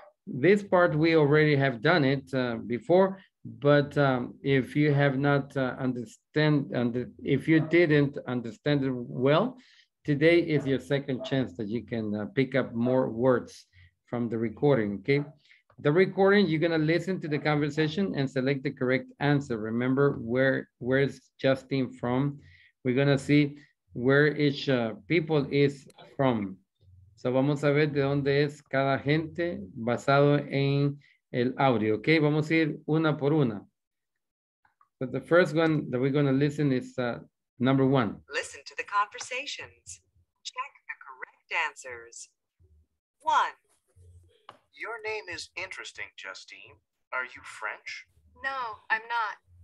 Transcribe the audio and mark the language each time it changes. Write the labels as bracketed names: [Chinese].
[English] This part, we already have done it before, but if you have not understand, and if you didn't understand it well, today is your second chance that you can pick up more words from the recording, okay? The recording, you're gonna listen to the conversation and select the correct answer. Remember, where is Justin from? We're gonna see where each people is from. [Spanish] So vamos a ver de dónde es cada gente basado en el audio, okay? Vamos a ir una por una. [English] But the first one that we're gonna listen is number one. Listen to the conversations. Check the correct answers. One. Your name is interesting, Justine. Are you French? No, I'm not.